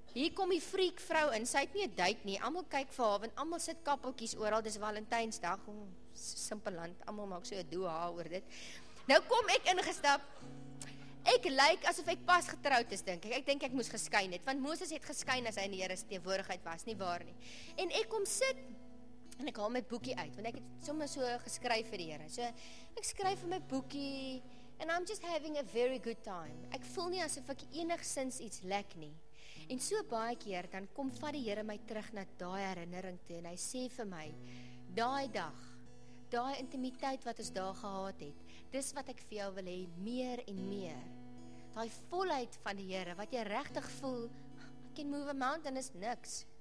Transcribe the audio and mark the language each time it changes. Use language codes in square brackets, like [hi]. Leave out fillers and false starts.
[af] Hier kom die freak vrou in, sy het nie 'n date nie, almal kyk vir haar, want almal sit kappeltjies oral, dis Valentynsdag, simpel land, almal maak so 'n doha oor dit. Nou kom ek ingestap, ek lyk asof ek pas getroud is, dink ek. Ek dink ek moes geskyn het, want Moses het geskyn as hy in die Here se teenwoordigheid was, nie waar nie. En ek kom sit, en ek haal my boekie uit, want ek het sommer so geskryf vir die Here. So, ek skryf vir my boekie, [en] and I'm just having a very good time. [af] Ek voel nie asof ek enigszins iets lek nie. En so baie keer, dan kom vat die Here my terug na daai herinnering toe, en hy sê vir my, daai dag, daai intimiteit wat ons daar gehad het, dis wat ek vir jou wil hê, meer en meer. Daai volheid van die Here, wat jy regtig voel, [en] I can move a mountain, [af] is niks.